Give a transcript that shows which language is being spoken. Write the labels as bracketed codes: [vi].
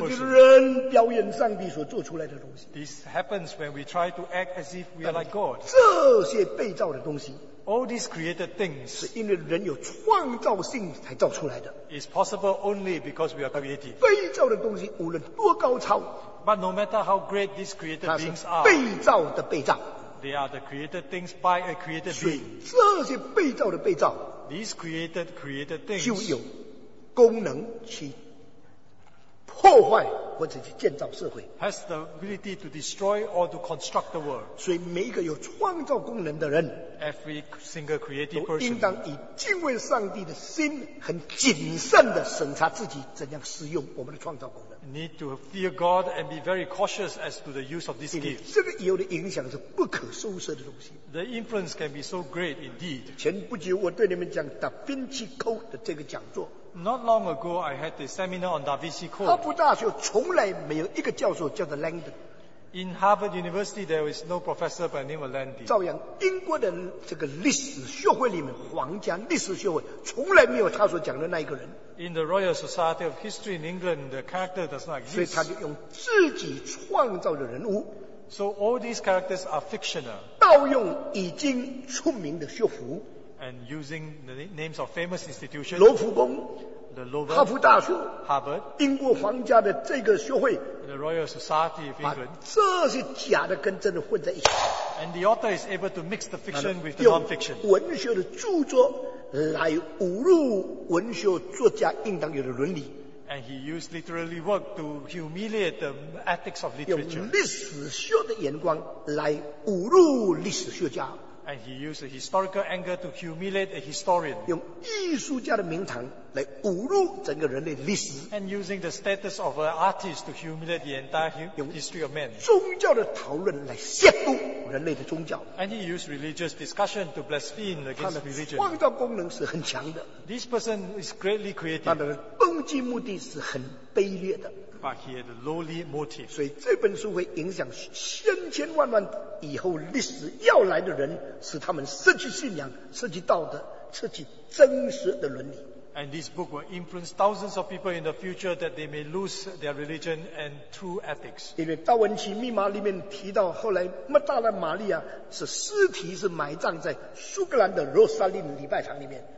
[zh] 这就是人表演上帝所做出来的东西。 [en] This happens when we try to act as if we are like God. [zh] 这些被造的东西。 [en] All these created things [zh] 是因为人有创造性才造出来的。 [en] Is possible only because we are creative. [zh] 被造的东西无论多高超 [en] ，But no matter how great these created things are， [zh] 被造的被造 [en] ，They are the created things by a created being。 [zh] 这些被造的被造 [en] ，These created things [zh] 就有功能去破坏或者去建造社会。 [en] Has the ability to destroy or to construct the world. [zh] 所以每一个有创造功能的人 [en] ，Every single creative person [zh] 都应当以敬畏上帝的心，很谨慎的审查自己怎样使用我们的创造功能。 [en] Need to fear God and be very cautious as to the use of these gifts. [zh] 这个有的影响是不可收拾的东西。 [en] The influence can be so great indeed. [zh] 前不久我对你们讲达芬奇 Code 的这个讲座。 [en] Not long ago, I had a seminar on Da Vinci Code. [zh] 哈佛大学从来没有一个教授叫做 Landon. [en] In Harvard University, there is no professor by the name of Landon. [zh] 照样，英国的这个历史学会里面，皇家历史学会从来没有他所讲的那一个人。 [en] In the Royal Society of History in England, the character does not exist. [zh] 所以他就用自己创造的人物。 [en] So all these characters are fictional. [zh] 盗用已经出名的学府。 [en] And using the names of famous institutions, [zh] 罗浮宫 [en] the Lover, [zh] 哈佛大学 [en] Harvard, [zh] 英国皇家的这个学会 [en] the Royal Society of England, [zh] 把这些假的跟真的混在一起 [en] and the author is able to mix the fiction with the non-fiction, [zh] 用文学的著作来侮辱文学作家应当有的伦理 [en] and he used literary work to humiliate the ethics of literature, [zh] 用历史学的眼光来侮辱历史学家 [en] And he used a historical anger to humiliate a historian. [zh] 用艺术家的名堂来侮辱整个人类历史。 [en] And using the status of an artist to humiliate the entire history of man. [zh] 用宗教的讨论来亵渎人类的宗教。 [en] And he used religious discussion to blaspheme against religion. [zh] 他的创造功能是很强的。 [en] This person is greatly creative. [zh] 他的动机目的是很卑劣的。 [en] But he had a lowly motive. [zh] 所以这本书会影响千千万万以后历史要来的人，使他们失去信仰，失去道德，失去真实的伦理。 [en] And this book will influence thousands of people in the future that they may lose their religion and true ethics. [zh] 因为《达芬奇密码》里面提到，后来麦大娜玛利亚是尸体是埋葬在苏格兰的罗莎琳礼拜堂里面。